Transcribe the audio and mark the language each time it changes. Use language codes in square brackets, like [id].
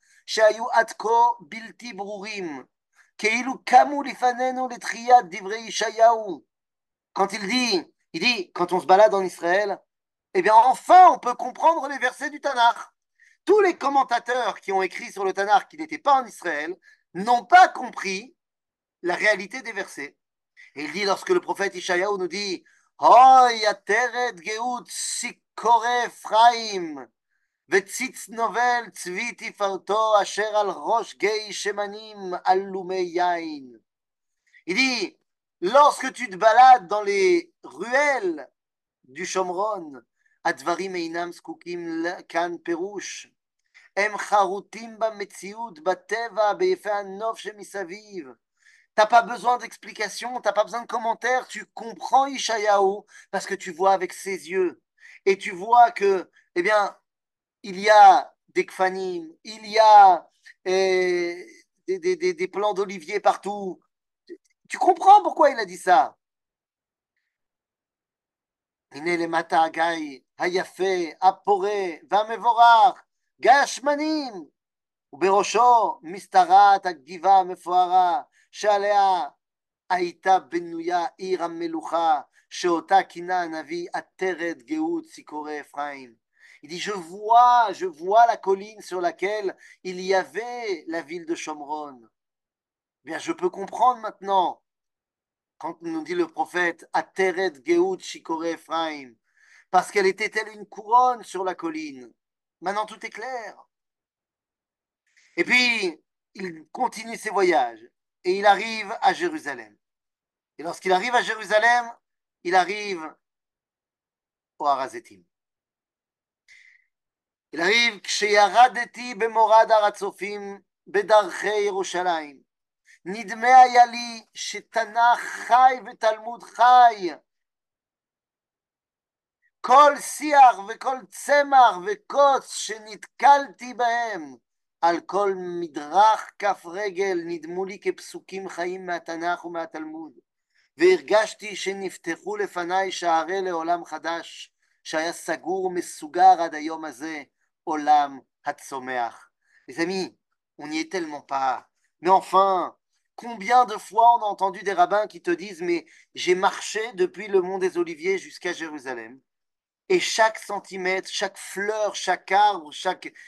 [he] שהיו עד כה בלתי ברורים, כאילו קמו לפנינו לתחיית דברי ישעיהו. [fr] Quand il dit, quand on se balade en Israël, eh bien enfin on peut comprendre les versets du Tanakh. Tous les commentateurs qui ont écrit sur le Tanakh qui n'étaient pas en Israël n'ont pas compris la réalité des versets. Et il dit, lorsque le prophète Ishayahu nous dit, [he] « Oy, ateret geout sikore Ephraim » וציץ נובל צבי תפארתו אשר על ראש גי שמנים על לומי יין. [fr] Il dit, lorsque tu te balades dans les ruelles du Shomron, [he] הדברים אינם זקוקים כאן פירוש. הם חרוטים במציאות, בטבע, ביפי הנוף שמסביב. [fr] T'as pas besoin d'explication, t'as pas besoin de commentaire, tu comprends Ishayahu parce que tu vois avec ses yeux. Et tu vois que, eh bien, il y a des kfanim, il y a des plants d'olivier partout. Tu comprends pourquoi il a dit ça? [he] הנה למטה הגיא היפה, הפורה והמבורך, גיא השמנים, ובראשו מסתרעת הגבעה המפוארה שעליה הייתה בנויה עיר המלוכה שאותה כינה הנביא עטרת גאות סיקורי אפרים. [fr] Il dit, je vois la colline sur laquelle il y avait la ville de Shomron. Bien, je peux comprendre maintenant, quand nous dit le prophète, [he] Ateret Geout Shikore Ephraim, [fr] parce qu'elle était telle une couronne sur la colline. Maintenant, tout est clair. Et puis, il continue ses voyages et il arrive à Jérusalem. Et lorsqu'il arrive à Jérusalem, il arrive au Harazetim. Il arrive [he] כשירדתי במורד הר הצופים בדרכי ירושלים. נדמה היה לי שתנ"ך חי ותלמוד חי. כל שיח וכל צמח וקוץ שנתקלתי בהם על כל מדרך כף רגל נדמו לי כפסוקים חיים מהתנ"ך ומהתלמוד. והרגשתי שנפתחו לפניי שערי לעולם חדש שהיה סגור ומסוגר עד היום הזה. Olam Hatzomeach. [fr] Les amis, on n'y est tellement pas. Mais enfin, combien de fois on a entendu des rabbins qui te disent « Mais j'ai marché depuis le mont des Oliviers jusqu'à Jérusalem. » Et chaque centimètre, chaque fleur, chaque arbre, chaque...